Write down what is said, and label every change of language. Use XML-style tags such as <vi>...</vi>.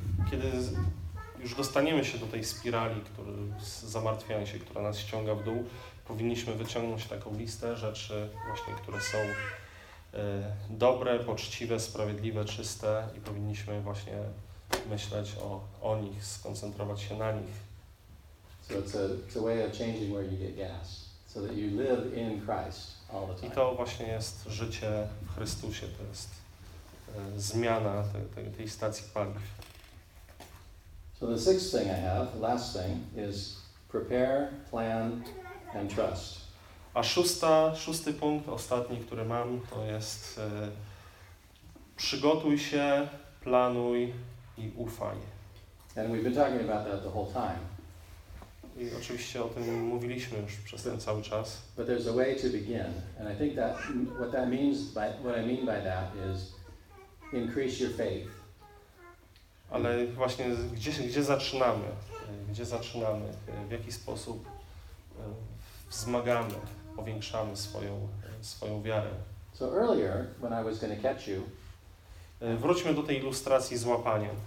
<pl>Kiedy już dostaniemy się do tej spirali, zamartwiania się, która nas ściąga w dół, powinniśmy wyciągnąć taką listę rzeczy właśnie, które są dobre, poczciwe, sprawiedliwe, czyste i powinniśmy właśnie myśleć o nich, skoncentrować się na nich.</pl> <en>So it's a way of changing where you get gas, so that you live in Christ all the time.</en> <pl>I to właśnie jest życie w Chrystusie, to jest zmiana tej stacji paliw.</pl> <en>So the sixth thing I have, last thing, is prepare, plan and trust.</en> <pl>A szósty punkt, ostatni, który mam, to jest przygotuj się, planuj i ufaj.</pl> <en>And we've been talking about that the whole time.</en> <pl>I oczywiście o tym mówiliśmy już przez ten cały czas.</pl> <en>But there's a way to begin. And I think that what I mean by that is increase your faith.</en> <pl>Ale właśnie gdzie zaczynamy? Gdzie zaczynamy? W jaki sposób wzmagamy, powiększamy swoją wiarę.</pl> <en>So earlier, when I was going to catch you,</en> <pl>wróćmy do tej ilustracji z łapaniem.</pl>